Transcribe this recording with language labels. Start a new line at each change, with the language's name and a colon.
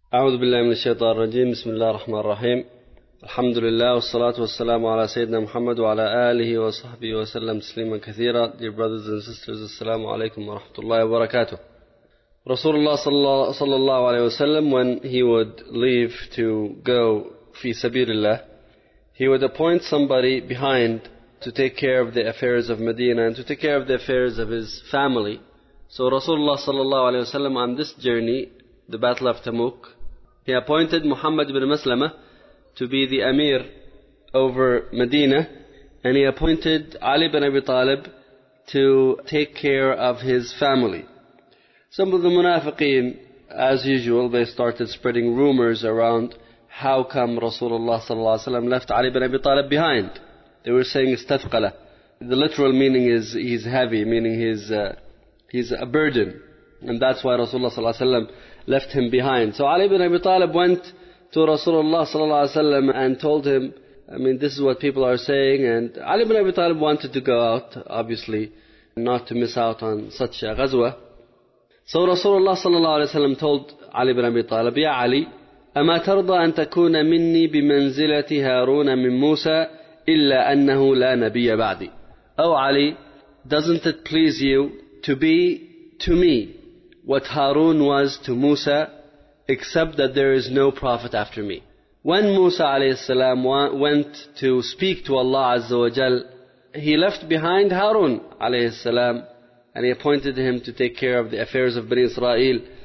Arabic: أعوذ بالله من الشيطان الرجيم. بسم الله الرحمن الرحيم. الحمد لله والصلاة والسلام على سيدنا محمد وعلى آله وصحبه وسلم تسليما كثيرا.
English: Dear brothers and sisters,
Arabic: السلام عليكم ورحمة الله وبركاته.
English: رسول الله صلى الله عليه وسلم, when he would leave to go في سبيل الله, he would appoint somebody behind to take care of the affairs of Medina and to take care of the affairs of his family. So Rasulullah صلى الله عليه وسلم, on this journey, the Battle of Tamuk, he appointed Muhammad ibn Maslama to be the Amir over Medina, and he appointed Ali ibn Abi Talib to take care of his family. Some of the Munafiqeen, as usual, they started spreading rumors around how come Rasulullah صلى الله عليه وسلم left Ali ibn Abi Talib behind. They were saying استثقله. The literal meaning is he's heavy, meaning he's a burden. And that's why Rasulullah صلى الله عليه وسلم left him behind. So Ali ibn Abi Talib went to Rasulullah صلى الله عليه وسلم and told him, I mean, this is what people are saying. And Ali ibn Abi Talib wanted to go out, obviously, not to miss out on such a ghazwa.
Arabic: So Rasulullah صلى الله عليه وسلم told Ali ibn Abi Talib, Ya Ali, أما ترضى أن تكون مني بمنزلة هارون من موسى إلا أنه لا نبي بعدي.
English: Oh Ali, doesn't it please you to be to me what Harun was to Musa, except that there is no prophet after me? When Musa alayhi salam went to speak to Allah Azza wa Jal, he left behind Harun alayhi salam, and he appointed him to take care of the affairs of Bani Israel.